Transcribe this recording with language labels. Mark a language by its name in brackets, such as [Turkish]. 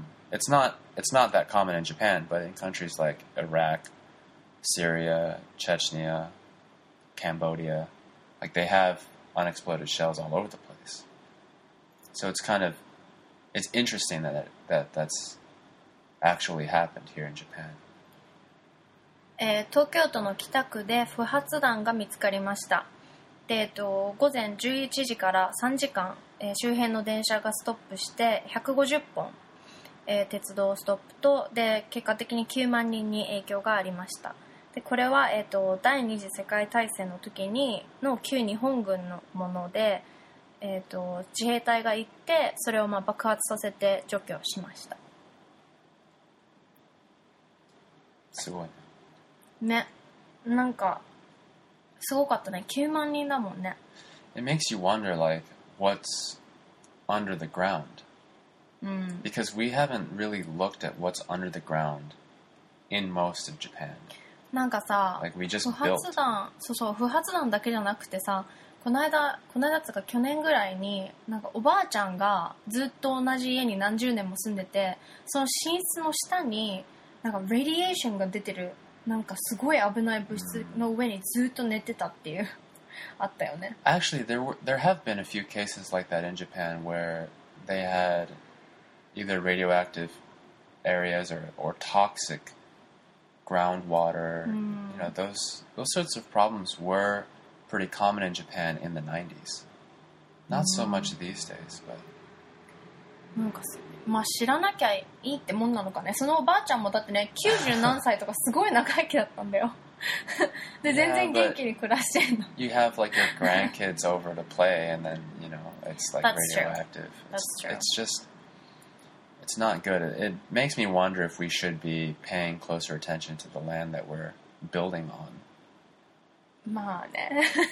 [English] It's not that common in Japan, but in countries like Iraq, Syria, Chechnya, Cambodia, like they have unexploded shells all over the place. So it's interesting that's actually happened here in Japan. [Japanese] 東京都の北区で不発弾が見つかりました。で、午前11時から3時間、周辺の電車がストップして150本、鉄道ストップと、で、結果的に9万人に影響がありました。で、これは、第二次世界大戦の時にの旧日本軍のもので、自衛隊が行ってそれをまあ爆発させて除去しました。すごいね。ね、なんかすごかったね。 9万人だもんね。 [English] It makes you wonder like what's under the ground、because we haven't really looked at what's under the ground in most of Japan. [Japanese] なんかさ、 [English] like、we just [Japanese] 不発弾、そうそう、不発弾だけじゃなくてさ、この間つか去年ぐらいに、なんかおばあちゃんがずっと同じ家に何十年も住んでて、その寝室の下に、なんかレディエーションが出てる、なんかすごい危ない物質の上にずっと寝てたっていう、あったよね。 [English] Actually, there have been a few cases like that in Japan where they had either radioactive areas or toxic groundwater. Mm. You know, those sorts of problems were pretty common in Japan in the 90s. Not so much these days, but... [Japanese] まあ知らなきゃいいってもんなのかね。そのおばあちゃんもだってね、90何歳とかすごい長生きだったんだよ。で、全然元気に暮らしてんの。 [English] You have like your grandkids over to play and then, you know, it's like radioactive. That's true. It's just, it's not good. It makes me wonder if we should be paying closer attention to the land that we're building on. [Japanese] まあね。